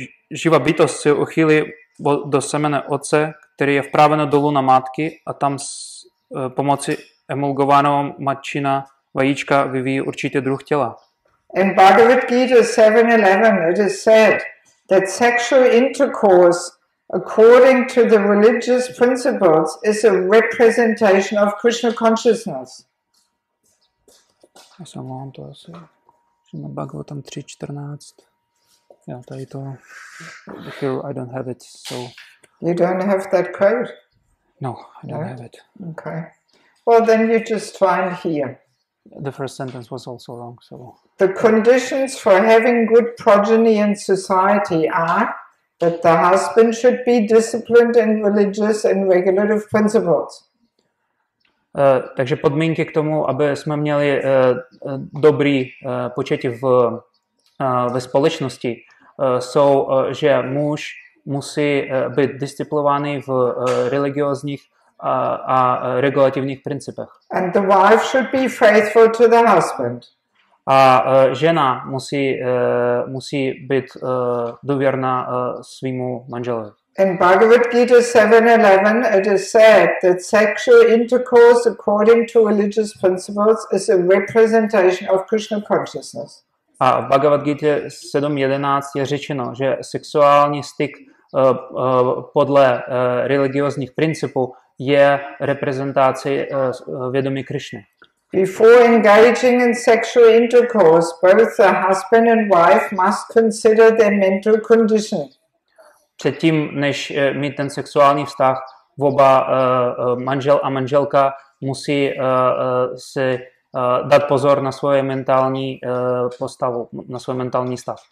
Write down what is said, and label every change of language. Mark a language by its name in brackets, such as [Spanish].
[Czech] Živá bytost se uchýlí do semene otce, který je vpraveno dolů na matky a tam s pomocí emulgovaného matčina vajíčka vyvíjí určitě druh těla. [English] In Bhagavad Gita 7.11 it is said that sexual intercourse according to the religious principles is a representation of Krishna consciousness. [Czech] Já jsem vám to asi, že na Bhagavatam 3.14. Já tady to, [English] I don't have it, so. You don't have that quote? No, I don't have it. Okay. Well, then you just find here. The first sentence was also wrong, so. The conditions for having good progeny in society are that the husband should be disciplined in religious and regulative principles. [Czech] Takže podmínky k tomu, aby jsme měli dobrý početí ve společnosti, jsou, že muž musí být disciplovaný v religiozních a regulativních principech. [English] And the wife should be faithful to the husband. [Czech] A žena musí být důvěrná svému manželovi. [English] In Bhagavad Gita 7.11, it is said that sexual intercourse according to religious principles is a representation of Krishna consciousness. [Czech] A v Bhagavad Gita 7.11 je řečeno, že sexuální styk podle religiozních principů je reprezentací vědomí Krišny. [English] Before engaging in sexual intercourse, both the husband and wife must consider their mental condition. [Czech] Předtím, než mít ten sexuální vztah, oba manžel a manželka musí se dát pozor na svoje mentální postavu, na svůj mentální stav.